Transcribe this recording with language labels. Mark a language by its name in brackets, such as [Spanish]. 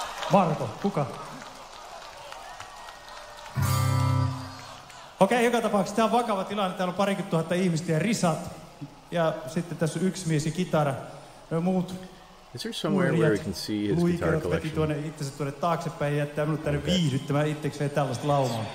[Finnish] Marko, kuka? Okei, joka tapauksessa tää on vakava tilanne. Täällä on parikymmentä tuhatta ihmistä ja risat. Ja sitten tässä on yksi mies ja kitara. Ja muut. [English] Is there somewhere where we can see his guitar collection? [Finnish] Luikerot veti tuonne itsensä tuonne taaksepäin ja jättää minut tänne viihdyttämään itsekseen tällaista laumaa.